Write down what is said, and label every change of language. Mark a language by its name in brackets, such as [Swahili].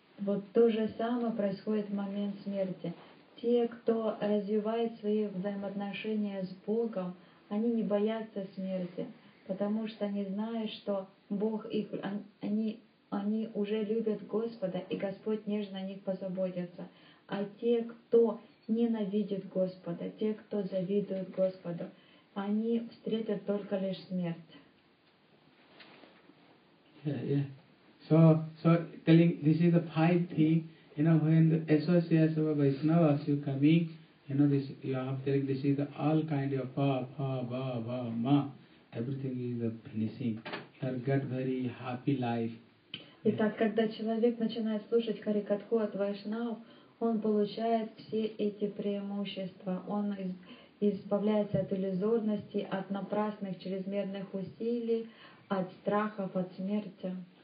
[Russian] Вот то же самое происходит в момент смерти. Те, кто развивает свои взаимоотношения с Богом, они не боятся смерти, потому что они знают, что Бог их, они уже любят Господа, и Господь нежно о них позаботится. А те, кто ненавидит Господа, те, кто завидует Господу, они встретят только лишь смерть. [English] So telling this is the five thing, you know, when the association of Vaishnavas you coming, you know, this you are telling this is the all kind of pa, ma, everything is the finishing. You get very happy life. [Russian] Итак, когда человек начинает слушать харикатху от Вайшнав, он получает все эти преимущества. Он избавляется от иллюзорности, от напрасных чрезмерных усилий, от страхов, от смерти.